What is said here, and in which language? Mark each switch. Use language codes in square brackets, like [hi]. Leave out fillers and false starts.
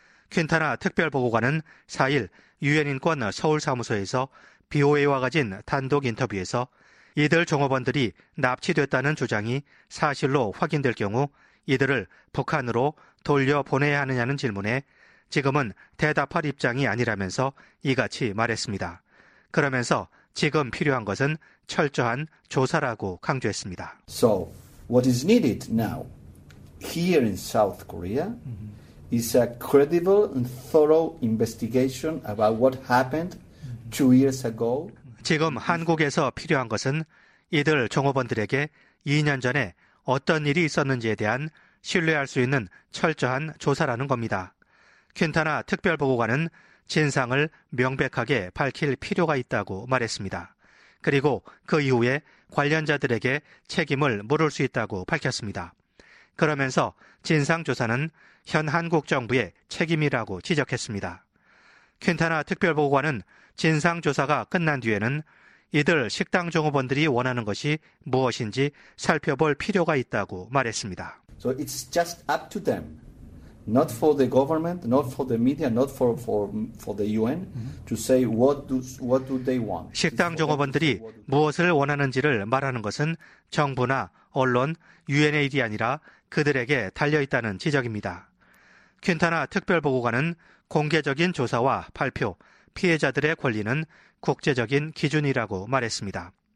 [ko] 퀸타나 특별보고관은 4일 유엔인권 서울사무소에서 BOA와 가진 단독 인터뷰에서 이들 종업원들이 납치됐다는 주장이 사실로 확인될 경우 이들을 북한으로 돌려보내야 하느냐는 질문에 지금은 대답할 입장이 아니라면서 이같이 말했습니다. 그러면서 지금 필요한 것은 철저한 조사라고 강조했습니다. [en] So what is needed now here in South Korea is a credible and thorough investigation about what happened 2 years ago. [ko] 지금 한국에서 필요한 것은 이들 종업원들에게 2년 전에 어떤 일이 있었는지에 대한 신뢰할 수 있는 철저한 조사라는 겁니다. 퀸타나 특별보고관은 진상을 명백하게 밝힐 필요가 있다고 말했습니다. 그리고 그 이후에 관련자들에게 책임을 물을 수 있다고 밝혔습니다. 그러면서 진상조사는 현 한국 정부의 책임이라고 지적했습니다. 퀸타나 특별보고관은 진상조사가 끝난 뒤에는 이들 식당 종업원들이 원하는 것이 무엇인지 살펴볼 필요가 있다고 말했습니다. [en] So it's just up to them. not for the government, not for the media, not for the UN to say what do they want. [ko] 식당 종업원들이 무엇을 원하는지를 말하는 것은 정부나 언론, UN의 일이 아니라 그들에게 달려 있다는 지적입니다. 퀸타나 특별보고관은 공개적인 조사와 발표, 피해자들의 권리는 국제적인 기준이라고 말했습니다.